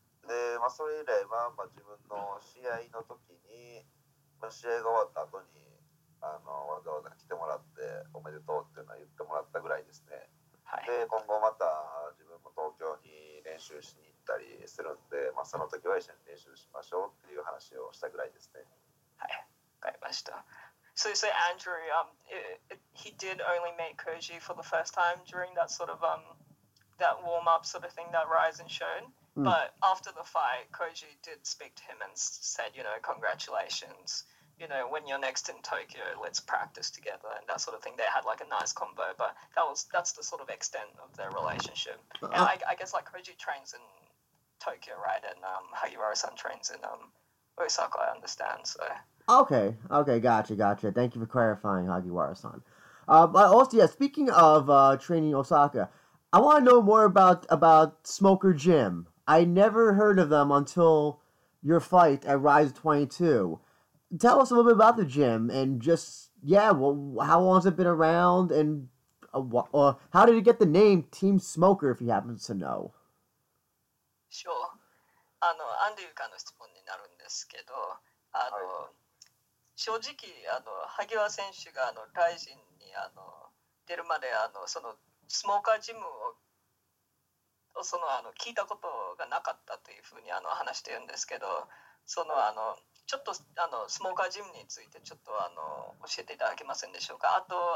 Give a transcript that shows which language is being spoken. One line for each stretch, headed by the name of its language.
Japanese: で、まあ、それ以来は、まあ、自分の試合の時に、まあ、試合が終わった後に、わざわざ来てもらって、おめでとうっていうのは言ってもらったぐらいですね。はい、で、今後また自分も東京に練習しに行ったりするんで、まあ、その時は一緒に練習しましょうっていう話をしたぐらいですね。はい。
English: So you say Andrew, he did only meet Koji for the first time during that sort of that warm up sort of thing that Ryzen showed. But after the fight, Koji did speak to him and said, you know, congratulations. You know, when you're next in Tokyo, let's practice together and that sort of thing. They had like a nice combo, but that's the sort of extent of their relationship. And I guess like Koji trains in Tokyo, right? And Hagiwara-san trains in Osaka, I understand. So. Okay, gotcha. Thank you for clarifying, Hagiwara-san. But also, yeah, speaking of training Osaka, I want to know more about Smoker Gym. I never heard of them until your fight at Rise 22. Tell us a little bit about the gym, and just, yeah, well, how long has it been around, and how did it get the name Team Smoker, if he happens to know? Sure.
Japanese: Andrew からの質問になるんですけど、正直萩原選手がライジンに出るまでそのスモーカージムをその聞いたことがなかったというふうに話してるんですけど、そのちょっとスモーカージムについてちょっと教えていただけませんでしょうか。あと